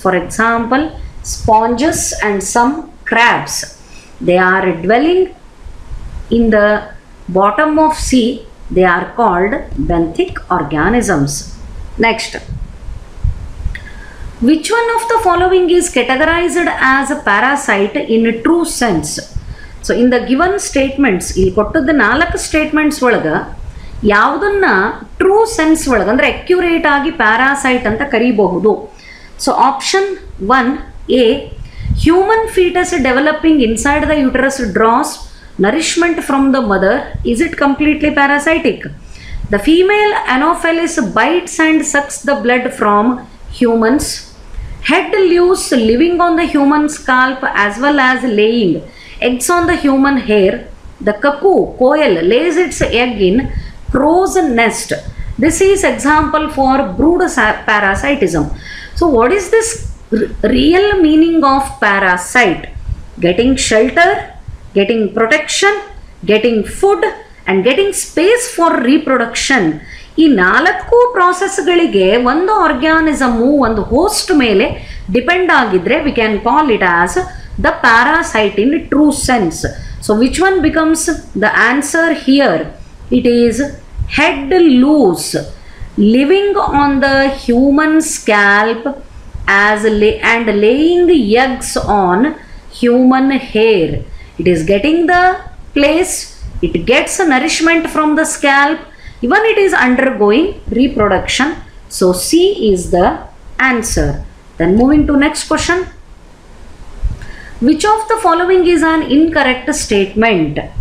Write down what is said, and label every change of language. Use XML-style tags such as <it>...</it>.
<en>For example, sponges and some crabs, they are dwelling in the bottom of sea, they are called benthic organisms. Next, which one of the following is categorized as a parasite in a true sense? So in the given statements,</en> <kn>ಇಲ್ಲಿ ಕೊಟ್ಟದ್ದು ನಾಲ್ಕು statements ಒಳಗೆ ಯಾವುದನ್ನ true sense ಒಳಗೆ ಅಂದರೆ accurate ಆಗಿ parasite ಅಂತ ಕರೀಬಹುದು?</kn> <en>So option one A, human foetus developing inside the uterus draws nourishment from the mother, is it completely parasitic? The female Anopheles bites and sucks the blood from humans. Head lives living on the human scalp as well as laying eggs on the human hair. The cuckoo, koel, lays its egg in crow's nest. This is example for brood parasitism. So what is this real meaning of parasite? Getting shelter, getting protection, getting food, and getting space for reproduction.</en> <kn>ಈ ನಾಲ್ಕು ಪ್ರೋಸೆಸ್ಗಳಿಗೆ ಒಂದು ಆರ್ಗ್ಯಾನಿಸಮು ಒಂದು host ಮೇಲೆ depend ಆಗಿದ್ರೆ</kn> <en>We can call it as the parasite in true sense. So which one becomes the answer here? It is head louse living on the human scalp as lay and laying eggs on human hair. It is getting the place, it gets nourishment from the scalp, even it is undergoing reproduction. So C is the answer. Then moving to next question, which of the following is an incorrect statement?</en>